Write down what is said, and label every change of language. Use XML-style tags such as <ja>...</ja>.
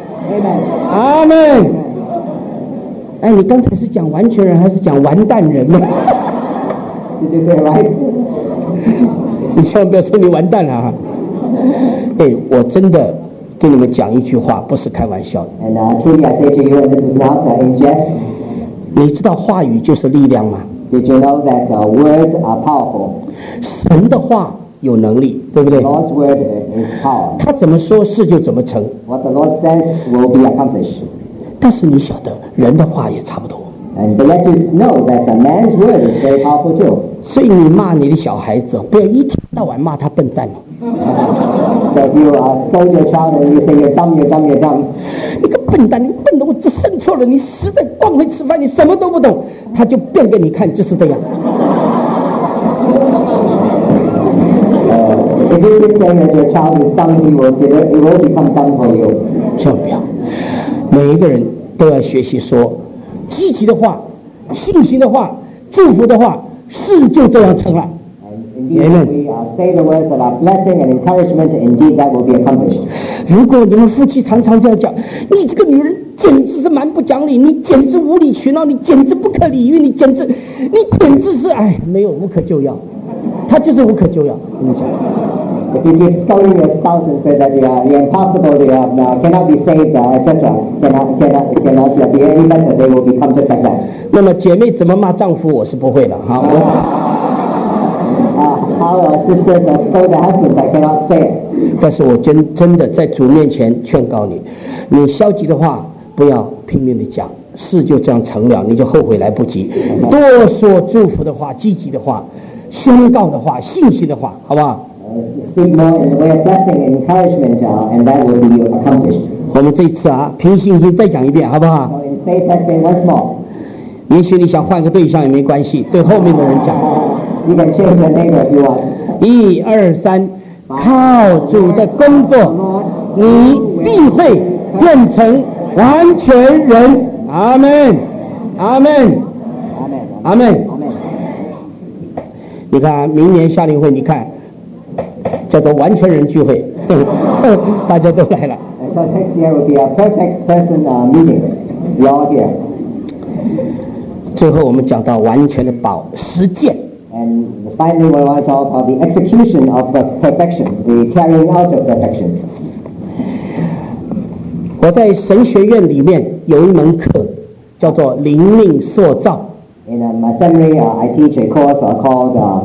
<en>Amen。</en> <zh>阿门。哎，你刚才是讲完全人还是讲完蛋人呢？对对对，来，你千万不要说你完蛋了哈、啊！哎，我真的跟你们讲一句话，不是开玩笑的。</zh> <en>And truly, I say to you, this is not in jest.</en> <zh>你知道话语就是力量吗</zh> <en>？Did you know that words are powerful?</en> <zh>神的话有能力，对不对</zh> <en>？God's word is power.</en> <zh>他怎么说事就怎么成。</zh> <en>What the Lord says will be accomplished.</en> <zh>但是你晓得，人的话也差不多。</zh> <en>And to let you know that the man's word is very powerful too.</en> <zh>所以你骂你的小孩子，不要一天到晚骂他笨蛋了。</zh> <en>So if you scold your child and you say you're dumb, you're dumb, you're dumb.</en> <zh>你个笨蛋，你笨的我只生错了，你实在光会吃饭，你什么都不懂，他就变给你看，就是这样。</zh> <en>If you keep saying that your child is dumb, he will become dumb for you.</en> <zh>千万不要。每一个人都要学习说积极的话、信心的话、祝福的话，事就这样成了。</zh> <en>Amen. We say the words of our blessing and encouragement. Indeed, that will be accomplished.</en> <zh>如果你们夫妻常常这样讲，你这个女人简直是蛮不讲理，你简直无理取闹，你简直不可理喻，你简直是哎，没有无可救药，她就是无可救药。跟你讲。</zh> <en>If you keep scolding your spouse and say that you're impossible, cannot be saved, etc. Cannot be any better, they will become just like that.</en> <zh>那么姐妹怎么骂丈夫我是不会的。好我</zh> <en>how a sister scold the husband, I cannot say it.</en> <zh>但是我真的在主面前劝告你，你消极的话不要拼命的讲，事就这样成了，你就后悔来不及。多说祝福的话，积极的话，宣告的话，信心的话，好不好？</zh> <en>Speak more in the way of blessing and encouragement, and that will be accomplished.</en> <zh>我们这一次啊，凭信心再讲一遍，好不好</zh> <en>？So in faith, let's say once more.</en> <zh>也许你想换个对象也没关系，对后面的人讲。</zh> <en>You can change the neighbor if you want.</en> <zh>一二三，靠主的工作，你必会变成完全人。阿门，阿门，阿门，阿门，阿门。你看，明年夏令会，你看。叫做完全人聚会，大家都来了。</zh> <en>So next year will be a perfect person meeting. We all here.</en> <zh>最后我们讲到完全的宝实践。</zh> <en>And finally, we want to talk about the execution of the perfection, the carrying out of perfection.</en> <zh>我在神学院里面有一门课叫做灵命塑造。</zh> <en>In my seminary, I teach a course called.</en>